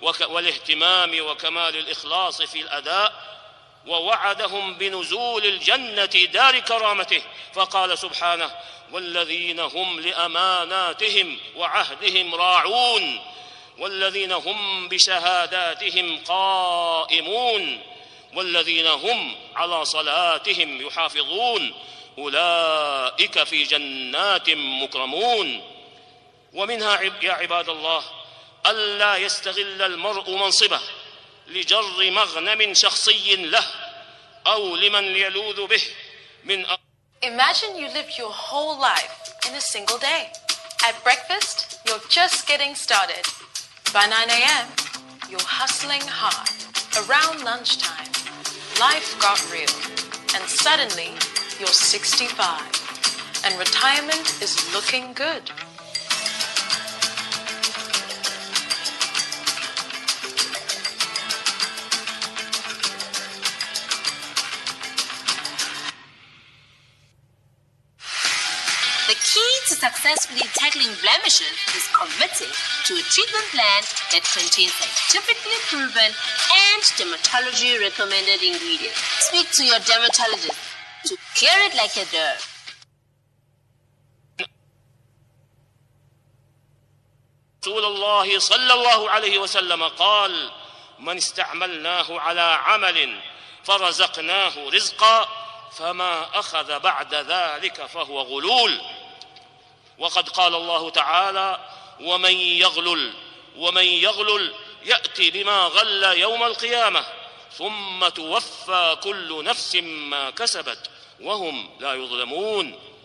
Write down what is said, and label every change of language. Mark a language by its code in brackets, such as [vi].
[ar] والاهتمام وكمال الإخلاص في الأداء، ووعدهم بنزول الجنة دار كرامته، فقال سبحانه: والذين هم لأماناتهم وعهدهم راعون، والذين هم بشهاداتهم قائمون، والذين هم على صلاتهم يحافظون، أولئك في جنات مكرمون. ومنها يا عباد الله ألا يستغل المرء منصبه لجر مغنم شخصي له أو لمن يلوذ به من [en] Imagine you live your whole life in a single day. At breakfast, you're just getting started. By 9 a.m., you're hustling hard. Around lunchtime, life got real. And suddenly, you're 65. And retirement is looking good. Successfully tackling blemishes is committed to a treatment plan that contains scientifically proven and dermatology recommended ingredients. Speak to your dermatologist to clear it like a derm. [ar] رسول الله صلى الله عليه وسلم قال: من استعملناه على عمل فرزقناه رزقا فما أخذ بعد ذلك فهو غلول. وقد قال الله تعالى: ومن يغلل يأتي بما غل يوم القيامة ثم توفى كل نفس ما كسبت وهم لا يظلمون.